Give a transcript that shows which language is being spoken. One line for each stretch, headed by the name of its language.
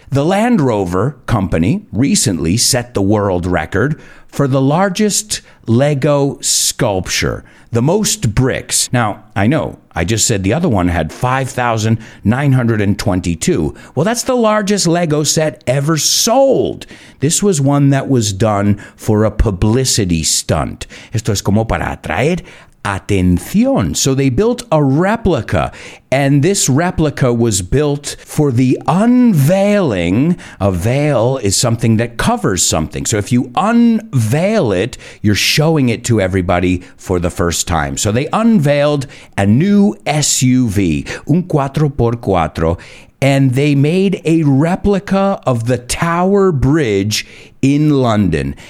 English: The Land Rover company recently set the world record for the largest Lego sculpture, the most bricks. Now, I know, I just said the other one had 5,922. Well, that's the largest Lego set ever sold. This was one that was done for a publicity stunt.
Spanish: Esto es como para atraer atención.
English: So they built a replica, and this replica was built for the unveiling. A veil is something that covers something. So if you unveil it, you're showing it to everybody for the first time. So they unveiled a new SUV, un 4x4, and they made a replica of the Tower Bridge in London.